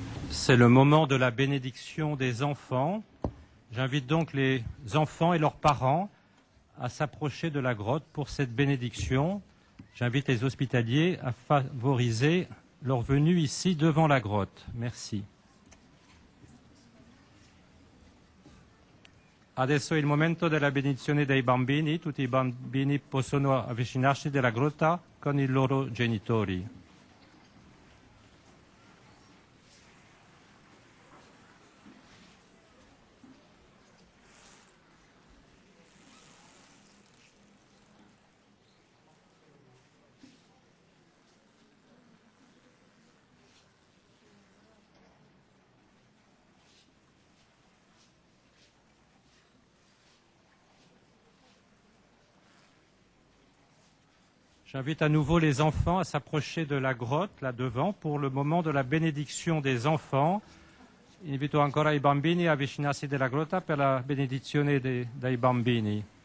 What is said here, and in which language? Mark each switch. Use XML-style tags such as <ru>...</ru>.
<fr>C'est le moment de la bénédiction des enfants. J'invite donc les enfants et leurs parents à s'approcher de la grotte pour cette bénédiction. J'invite les hospitaliers à favoriser leur venue ici devant la grotte. Merci.</fr> <it>Adesso è il momento della benedizione dei bambini. Tutti i bambini possono avvicinarsi della grotta con i loro genitori.</it> <fr>J'invite à nouveau les enfants à s'approcher de la grotte là-devant pour le moment de la bénédiction des enfants.</fr> <it>Invito ancora i bambini a avvicinarsi della grotta per la benedizione dei bambini.</it>